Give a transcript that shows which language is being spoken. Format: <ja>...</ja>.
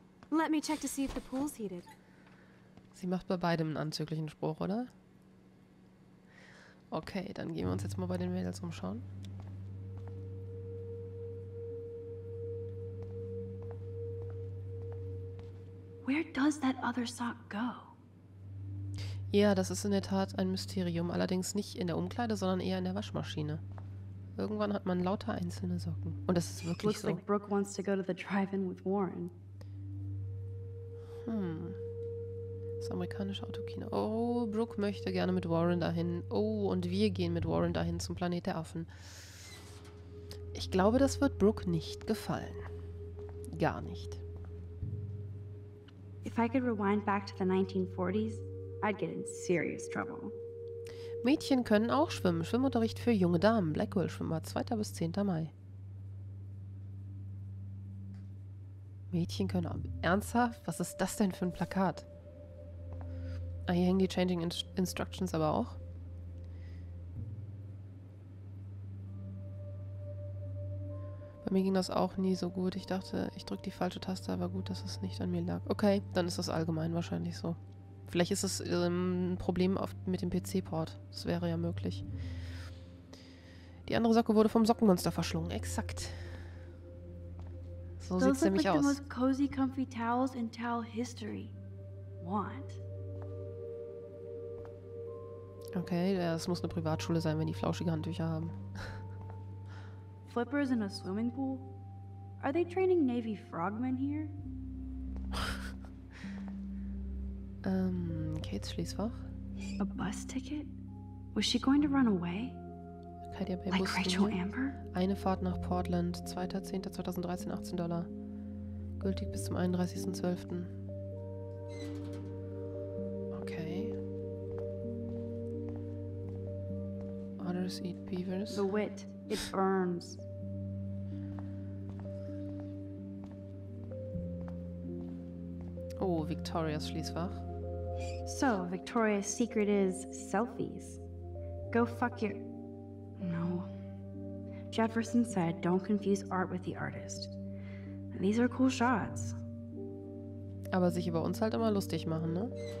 <en>Let me check to see if the pool's heated.</en> <de>Sie macht bei beidem einen anzüglichen Spruch, oder? Okay, dann gehen wir uns jetzt mal bei den Mädels umschauen.</de> <en>Where does that other sock go?</en> <de>Ja, das ist in der Tat ein Mysterium. Allerdings nicht in der Umkleide, sondern eher in der Waschmaschine. Irgendwann hat man lauter einzelne Socken. Und das ist wirklich so.</de> <en>Looks like Brooke wants to go to the drive-in with Warren.</en> <de>Das amerikanische Autokino. Oh, Brooke möchte gerne mit Warren dahin. Oh, und wir gehen mit Warren dahin zum Planet der Affen. Ich glaube, das wird Brooke nicht gefallen. Gar nicht.</de> <en>If I could rewind back to the 1940s, I'd get in serious trouble.</en> <de>Mädchen können auch schwimmen. Schwimmunterricht für junge Damen. Blackwell Schwimmer, 2. bis 10. Mai. Mädchen können auch... Ernsthaft? Was ist das denn für ein Plakat? Ah, hier hängen die Changing Instructions aber auch. Bei mir ging das auch nie so gut. Ich dachte, ich drücke die falsche Taste, aber gut, dass es nicht an mir lag. Okay, dann ist das allgemein wahrscheinlich so. Vielleicht ist es ein Problem mit dem PC-Port. Das wäre ja möglich. Die andere Socke wurde vom Sockenmonster verschlungen. Exakt. So sieht es nämlich aus.</de> <en>Those look like the most cozy, comfy towels in towel history. Want?</en> <de>Okay, das muss eine Privatschule sein, wenn die flauschige Handtücher haben.</de> <en>Flippers in a swimming pool? Are they training Navy frogmen here?</en> <de>Kates Schließfach.</de> <en>A bus ticket? Was she going to run away? Arcadia Bay like Bus Rachel Ding. Amber?</en> <de>Eine Fahrt nach Portland, 2.10.2013, $18. Gültig bis zum 31.12. Okay.</de> <en>Otters eat beavers. The wit, it burns.</en> <de>Oh, Victorias Schließfach.</de> <en>So, Victoria's secret is selfies. Go fuck your... No. Jefferson said, don't confuse art with the artist. These are cool shots.</en> <de>Aber sich über uns halt immer lustig machen, ne?</de>